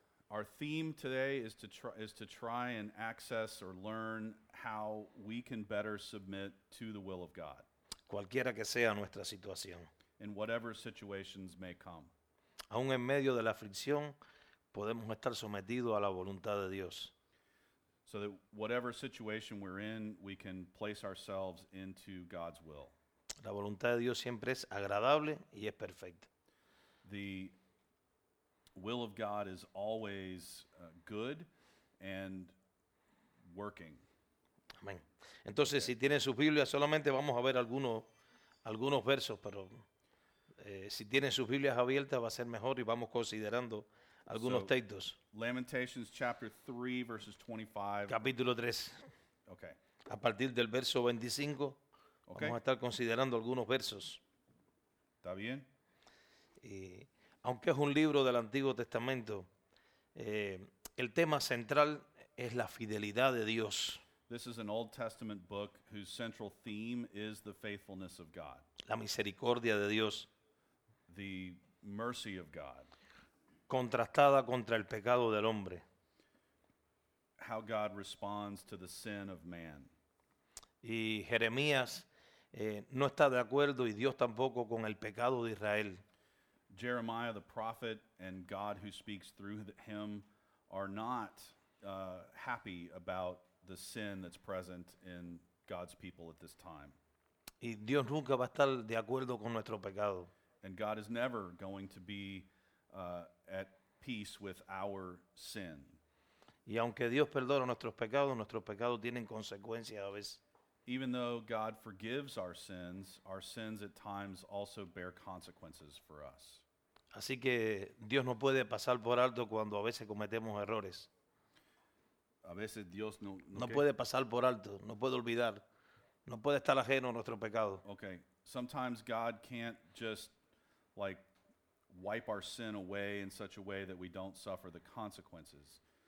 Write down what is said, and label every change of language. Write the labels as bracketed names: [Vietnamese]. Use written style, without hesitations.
[English] Our theme today is to try and access or learn how we can better submit to the will of God. [Spanish] Cualquiera que sea nuestra situación. [English] In whatever situations may come. [Spanish] Aún en medio de la aflicción, podemos estar sometidos a la voluntad de Dios. [English] So that whatever situation we're in, we can place ourselves into God's will. [Spanish] La voluntad de Dios siempre es agradable y es perfecta. [English] The will of God is always good and working. [Spanish] Amén. Entonces, si tienen sus Biblias, solamente vamos a ver algunos versos, pero si tienen sus Biblias abiertas, va a ser mejor y vamos considerando algunos textos. [English] Lamentations chapter 3, verses 25. [Spanish] Capítulo 3. [English] Okay. [Spanish] A partir del verso 25, okay. Vamos a estar considerando algunos versos. ¿Está bien? Y aunque es un libro del Antiguo Testamento, el tema central es la fidelidad de Dios. [English] This is an Old Testament book whose central theme is the faithfulness of God. [Spanish] La misericordia de Dios. [English] The mercy of God. [Spanish] Contrastada contra el pecado del hombre. [English] How God responds to the sin of man. [Spanish] Y Jeremías no está de acuerdo y Dios tampoco con el pecado de Israel. [English] Jeremiah the prophet and God who speaks through him are not happy about the sin that's present in God's people at this time. [Spanish] Y Dios nunca va a estar de acuerdo con nuestro pecado. [English] And God is never going to be at peace with our sin. [Spanish] Y aunque Dios perdona nuestros pecados tienen consecuencias a veces. [English] Even though God forgives our sins at times also bear consequences for us. [Spanish] Así que Dios no puede pasar por alto cuando a veces cometemos errores. A veces Dios no [English] okay. [Spanish] Puede pasar por alto, no puede olvidar, no puede estar ajeno a nuestro pecado. [English] Okay, sometimes God can't just like wipe our sin away in such a way that we don't suffer the consequences.